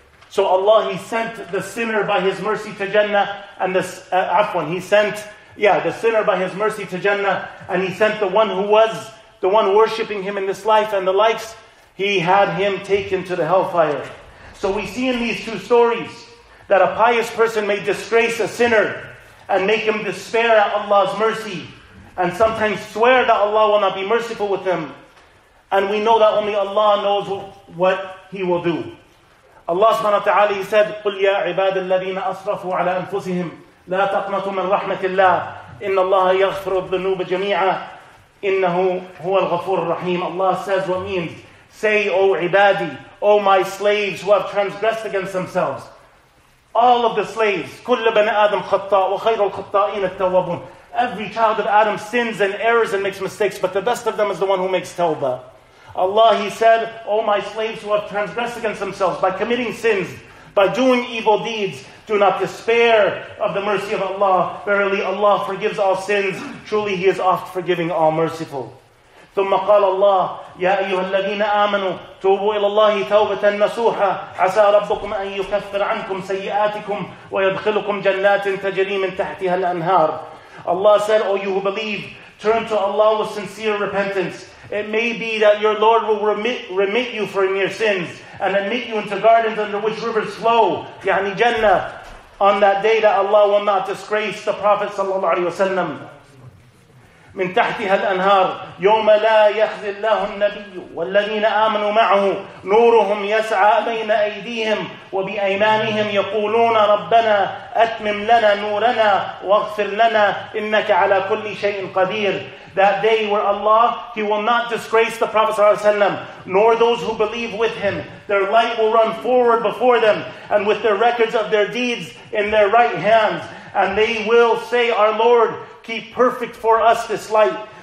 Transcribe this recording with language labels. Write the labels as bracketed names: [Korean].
[English] So Allah, He sent the sinner by His mercy to Jannah and the afwan, He sent the sinner by His mercy to Jannah, and He sent the one who was the one worshipping Him in this life and the likes, He had him taken to the hellfire. So we see in these two stories that a pious person may disgrace a sinner and make him despair at Allah's mercy and sometimes swear that Allah will not be merciful with him. And we know that only Allah knows what He will do. Allah subhanahu wa ta'ala, He said, [Arabic] قُلْ يَا عِبَادَ الَّذِينَ أَصْرَفُوا عَلَىٰ أَنفُسِهِمْ لا تقنطوا من رحمة الله إن الله يغفر الذنوب جميعا إنه هو الغفور الرحيم. [English] Allah says what means, say, O ibadi, O my slaves who have transgressed against themselves. All of the slaves, [Arabic] كل بني آدم خطاء وخير الخطائين التوابون. [English] Every child of Adam sins and errs and makes mistakes, but the best of them is the one who makes tawbah. Allah, He said, O my slaves who have transgressed against themselves by committing sins, by doing evil deeds, do not despair of the mercy of Allah. Verily, Allah forgives all sins. Truly, He is oft forgiving, all merciful. [Arabic] ثم قال الله يا أيها الذين آمنوا توبوا إلى الله توبة نصوحة عسى ربكم أن يكفر عنكم سيئاتكم ويدخلكم جنات تجري من تحتها الأنهار. [English] Allah said, O you who believe, turn to Allah with sincere repentance. It may be that your Lord will remit you from your sins and admit you into gardens under which rivers flow, يعني Jannah, on that day that Allah will not disgrace the Prophet ﷺ. [Arabic] من تحتها الأنهار يوم لا يخزي الله النبي والذين آمنوا معه نورهم يسعى بين أيديهم وبأيمانهم يقولون ربنا أتمم لنا نورنا واغفر لنا إنك على كل شيء قدير. [English] That day where Allah, He will not disgrace the Prophet ﷺ, nor those who believe with him. Their light will run forward before them, and with the records of their deeds in their right hands. And they will say, Our Lord, keep perfect for us this light.